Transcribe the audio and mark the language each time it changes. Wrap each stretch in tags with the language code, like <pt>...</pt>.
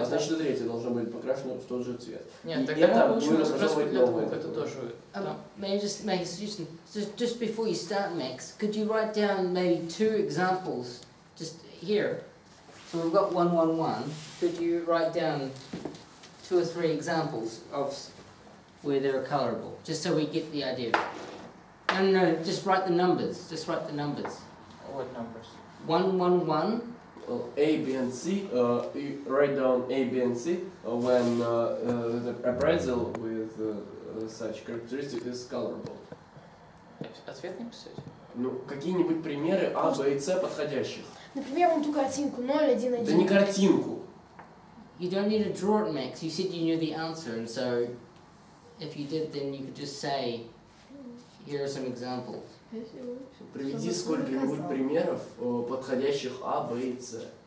<ru>а значит, третье должно быть покрашено в тот же цвет. Нет, и тогда это мы получим раскраску для двух, это тоже.</ru> <en>May I just make a suggestion? So just before you start, Max, could you write down maybe 2 examples just here? So we've got 1, 1, 1. Could you write down 2 or 3 examples of where they're colorable, just so we get the idea? No, no, no, just write the numbers. Just write the numbers. What numbers? 1, 1, 1. Well, A, B, and C. Write down A, B, and C when the appraisal with such characteristic is colorable.</en> <ru>Ответ не писать? Ну, какие-нибудь примеры А, Б и С подходящих. Например, вон ту картинку, 0, 1, 1. Да не картинку.</ru> <en>You don't need to draw it, Max. You said you knew the answer, and so if you did, then you could just say, here are some examples.</en> <ru>Приведи сколько-нибудь примеров подходящих А, Б и С.</ru>